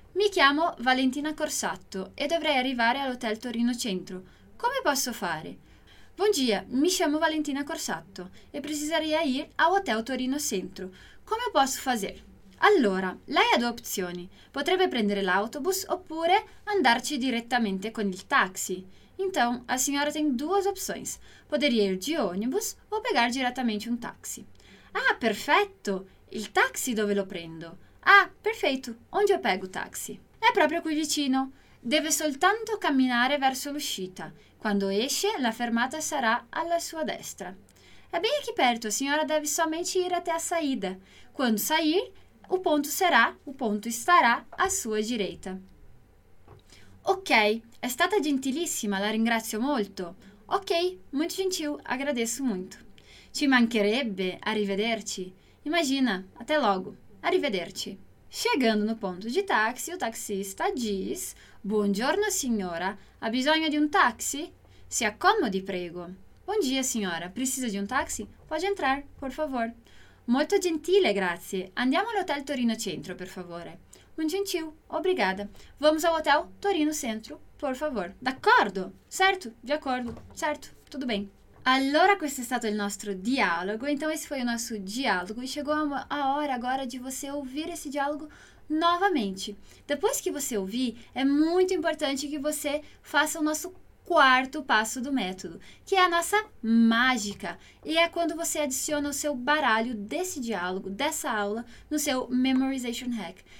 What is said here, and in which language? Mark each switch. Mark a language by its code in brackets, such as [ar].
[it] Mi chiamo Valentina Corsatto e dovrei arrivare all'hotel Torino Centro. Come posso fare? [pt] Bom dia, mi chiamo Valentina Corsatto e precisaria ir ao Hotel Torino Centro. [it] Come posso fare? Allora, lei ha due opzioni. Potrebbe prendere l'autobus oppure andarci direttamente con il taxi. [pt] Então, a signora tem duas opções. Poderia ir di ônibus o pegar direttamente un taxi. [it] Ah, perfetto! Il taxi dove lo prendo? Ah, perfetto! [pt] Onde eu pego o taxi? [it] È proprio qui vicino. Deve soltanto camminare verso l'uscita. Quando esce, la fermata sarà alla sua destra. [pt] È bem aqui perto, a signora deve somente ir até a saída. Quando sair, o ponto estará à sua direita. [it] Ok, è stata gentilissima, la ringrazio molto. [pt] Ok, molto gentil, agradeço muito. [it] Ci mancherebbe, arrivederci. [pt] Imagina, até logo, arrivederci. Chegando no ponto de táxi, o taxista diz, [it] buongiorno signora, ha bisogno di un taxi? Si accomodi, prego. [pt] Bom dia, signora, precisa di un taxi? Pode entrar, por favor. [it] Molto gentile, grazie. Andiamo all'hotel Torino Centro, per favore. [pt] Muito gentil, obrigada. Vamos ao hotel Torino Centro, por favor. D'accordo? Certo, de acordo. Certo, tudo bem. [it] Allora, questo è stato il nostro dialogo, [pt] então esse foi o nosso diálogo e chegou a hora agora de você ouvir esse diálogo novamente. Depois que você ouvir, é muito importante que você faça o nosso quarto passo do método, que é a nossa mágica, e é quando você adiciona o seu baralho desse diálogo, dessa aula, no seu Memorization Hack.